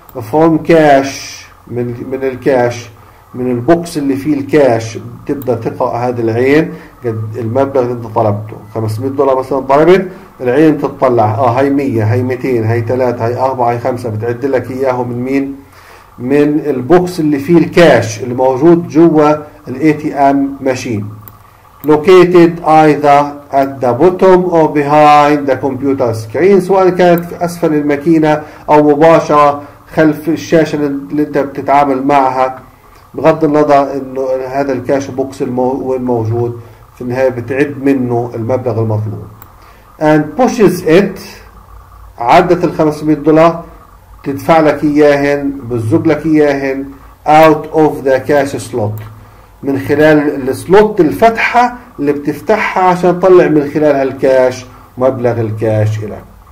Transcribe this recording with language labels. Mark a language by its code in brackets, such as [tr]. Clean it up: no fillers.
[ar] فروم كاش، من الكاش، من البوكس اللي فيه الكاش، بتبدا تقرا هذه العين قد المبلغ اللي انت طلبته. 500 دولار مثلا طلبت، العين تطلع هاي 100، هاي 200، هاي 3، هاي 4، هاي 5، بتعد لك اياه من مين؟ من البوكس اللي فيه الكاش اللي موجود جوا الاي تي ام ماشين. [en] Located either at the bottom or behind the computer screen. [ar] سواء كانت في أسفل الماكينة أو مباشرة خلف الشاشة اللي أنت بتتعامل معها، بغض النظر إنه هذا الكاش بوكس وين موجود، في النهاية بتعد منه المبلغ المطلوب. [en] And pushes it، [ar] عدة ال 500 دولار تدفع لك إياهن، بتزق لك إياهن [en] out of the cash slot، [ar] من خلال السلوت الفتحه اللي بتفتحها عشان تطلع من خلالها الكاش، مبلغ الكاش لك.